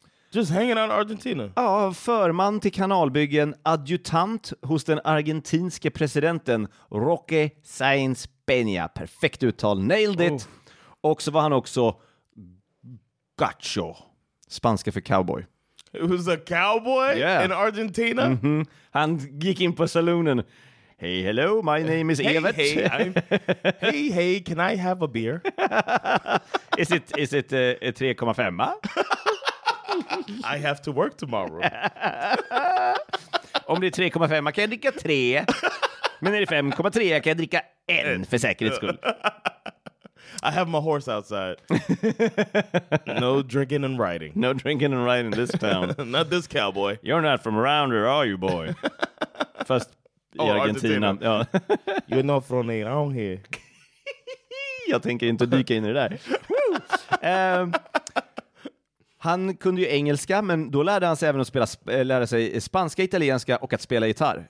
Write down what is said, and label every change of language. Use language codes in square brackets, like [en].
[en] Just hanging out in Argentina? [sv] Ja, förman till kanalbyggen, adjutant hos den argentinske presidenten Roque Sáenz Peña. Perfekt uttal, [en] nailed it! [sv] Och så var han också gacho, spanska för cowboy. [en] It was a cowboy in Argentina? [sv] Mm-hmm. Han gick in på salonen. [en] Hey, hello, my name is Evert. Hey, can I have a beer? Is it 3,5? I have to work tomorrow. [sv] Om det är 3,5 kan jag dricka 3. Men är det 5,3 kan jag dricka 1 för säkerhets skull. [en] I have my horse outside. No drinking and riding. No drinking and riding this town. Not this cowboy. You're not from around here, are you, boy? First... Oh, Argentina. Ja. You're not from around here. [sv] Jag tänker inte dyka in i det där. Han kunde ju engelska, men då lärde han sig även att lära sig spanska, italienska och att spela gitarr.